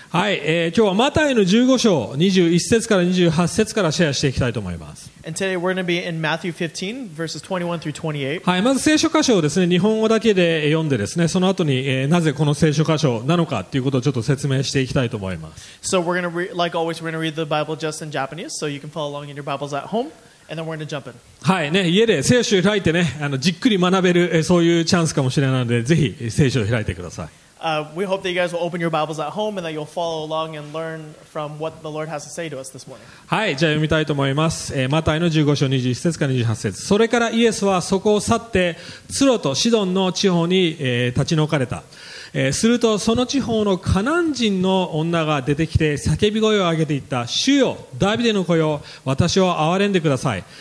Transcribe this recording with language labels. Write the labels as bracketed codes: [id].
[ja] はい、今日はマタイの15章、21節から28節からシェアしていきたいと思います。 [en] And today we're going to be in Matthew 15, verses 21 through 28. [ja] はい、まず聖書箇所をですね、日本語だけで読んでですね、その後に、なぜこの聖書箇所なのかということをちょっと説明していきたいと思います。 [en] So we're going to like always, we're going to read the Bible just in Japanese, so you can follow along in your Bibles at home. And then we're gonna jump in. [ja] はいね、家で聖書を開いてね、じっくり学べる、そういうチャンスかもしれないので、ぜひ聖書を開いてください。 [en] We hope that you guys will open your Bibles at home and that you'll follow along and learn from what the Lord has to say to us this morning. [ja] はい、じゃあ読みたいと思います。マタイの15章21節から28節。それからイエスはそこを去って、ツロとシドンの地方に、立ち退かれた。するとその地方のカナン人の女が出てきて叫び声を上げていった。主よ、ダビデの子よ、私を憐れんでください。